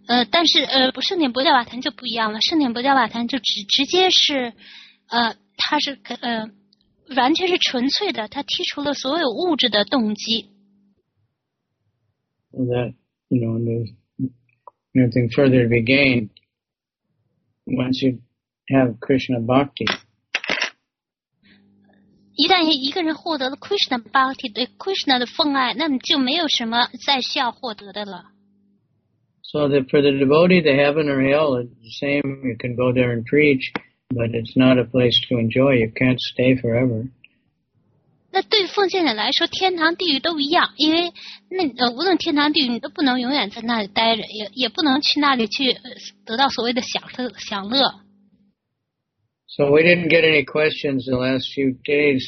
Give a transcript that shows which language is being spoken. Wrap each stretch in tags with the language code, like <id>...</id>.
<zh>但是不圣典不教瓦坛就不一样了，圣典不教瓦坛就直接是他是完全是纯粹的，他剔除了所有物质的动机。</zh> <en>That, you know, there's nothing further to be gained once you have Krishna Bhakti.</en> <zh>一旦一个人获得了 Krishna Bhakti, 对 Krishna 的奉爱，那么就没有什么再需要获得的了。</zh> <en>So that for the devotee, the heaven or hell is the same. You can go there and preach. But it's not a place to enjoy. You can't stay forever.</en> <zh>那对奉献者来说，天堂地狱都一样，因为那无论天堂地狱，你都不能永远在那里待着，也不能去那里去得到所谓的享乐。</zh> <en>So we didn't get any questions the last few days.</en>